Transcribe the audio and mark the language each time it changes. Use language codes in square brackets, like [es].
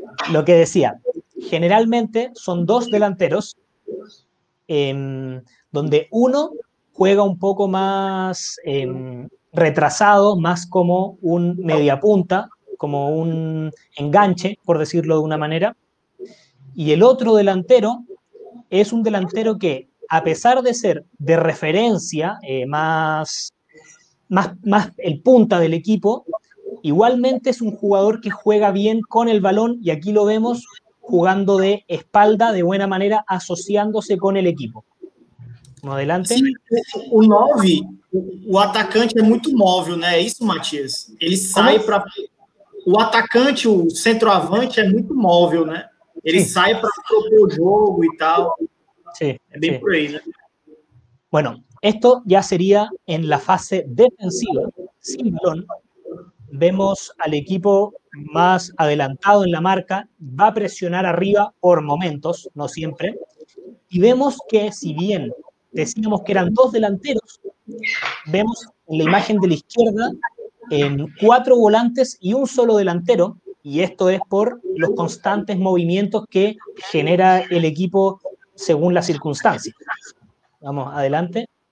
[es] lo que decía, generalmente son dos delanteros, donde uno juega un poco más retrasado, más como un media punta, como un enganche, por decirlo de una manera, y el otro delantero es un delantero que, a pesar de ser de referencia, más el punta del equipo, igualmente es un jugador que juega bien con el balón, y aquí lo vemos jugando de espalda, de buena manera, asociándose con el equipo. [pt] Adelante. Sim, o 9, o atacante é muito móvel, né? É isso, Matias? Ele sai para. O atacante, o centroavante, é muito móvel, né? Ele sim. Sai para propor o jogo e tal. Sim, é bem sim. Por aí, né? [es] Bueno, esto ya sería en la fase defensiva, sin balón. Vemos al equipo más adelantado en la marca, va a presionar arriba por momentos, no siempre. Y vemos que, si bien decíamos que eran dos delanteros, vemos en la imagen de la izquierda en cuatro volantes y un solo delantero, y esto es por los constantes movimientos que genera el equipo según las circunstancias. Vamos, adelante.